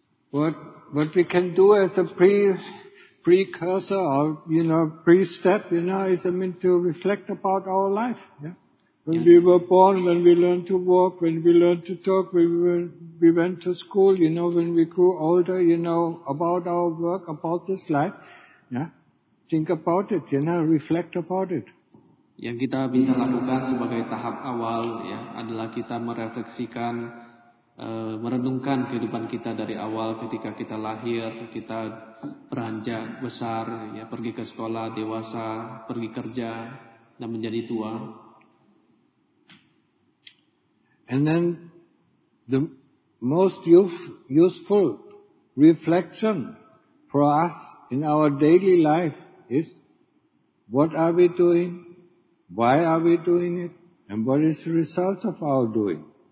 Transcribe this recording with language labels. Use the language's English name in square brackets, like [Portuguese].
[English] What we can do as a precursor or, you know, pre-step, you know, is, I mean, to reflect about our life. Yeah? When we were born, when we learned to walk, when we learned to talk, when we went to school, you know, when we grew older, you know, about our work, about this life, yeah. Think about it, you know, reflect about it. [Indonesian] Yang kita bisa lakukan sebagai tahap awal, ya, adalah kita merefleksikan, merenungkan kehidupan kita dari awal ketika kita lahir, kita beranjak besar, ya, pergi ke sekolah, dewasa, pergi kerja, dan menjadi tua. [English] And then the most useful reflection for us in our daily life is what are we doing, why are we doing it, and what is the result of our doing.